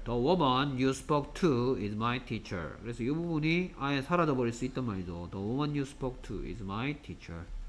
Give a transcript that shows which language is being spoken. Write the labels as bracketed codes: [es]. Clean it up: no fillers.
[en] The woman you spoke to is my teacher. [ko] 그래서 이 부분이 아예 사라져버릴 수 있단 말이죠. [en] The woman you spoke to is my teacher.